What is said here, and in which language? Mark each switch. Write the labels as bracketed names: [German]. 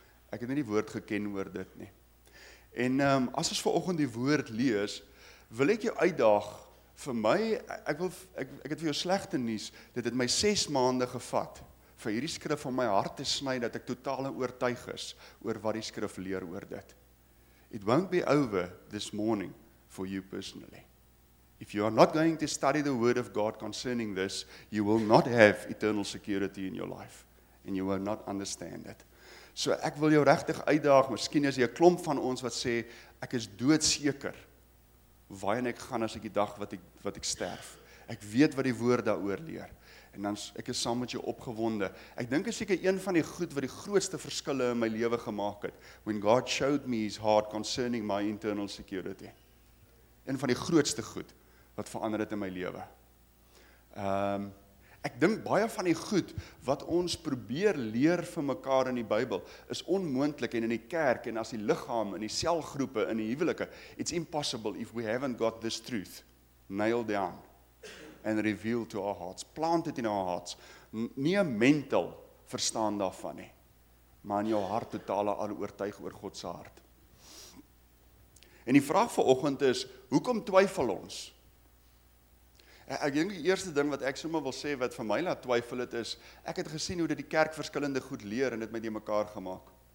[Afrikaans] Ek het nie die woord geken oor dit nie. En as ons vanoggend die woord lees, wil ek jou uitdaag, vir my, ek het vir jou slegte nuus, dit het my 6 maande gevat, vir hierdie skrif van my hart te sny, dat ek totaal oortuig is, oor wat die skrif leer oor dit. [English] It won't be over this morning, for you personally. If you are not going to study the word of God concerning this, you will not have eternal security in your life. And you will not understand it. [Afrikaans] So ek wil jou regtig uitdaag, miskien is jy 'n klomp van ons wat sê, ek is doodseker, waarin ek gaan as ek die dag wat ek sterf. Ek weet wat die woord daaroor leer. En dan ek is saam met jou opgewonde. Ek dink is seker een van die goed wat die grootste verskille in my lewe gemaak het. [English] When God showed me his heart concerning my internal security. [Afrikaans] Een van die grootste goed wat verander het in my lewe. Ek dink baie van die goed wat ons probeer leer vir mekaar in die Bybel is onmoontlik en in die kerk en as die liggaam in die selgroepe in die huwelike. [English] It's impossible if we haven't got this truth nailed down and revealed to our hearts, planted in our hearts. [Afrikaans] Nie 'n mental verstaan daarvan nie, maar in jou hart totale al oortuig oor God se hart. En die vraag vanoggend is, hoekom twyfel ons? Ek dink die eerste ding wat ek sommer wil sê wat vir my laat twyfel het is, ek het gesien hoe dit die kerk verskillende goed leer en dit met die mekaar gemaak.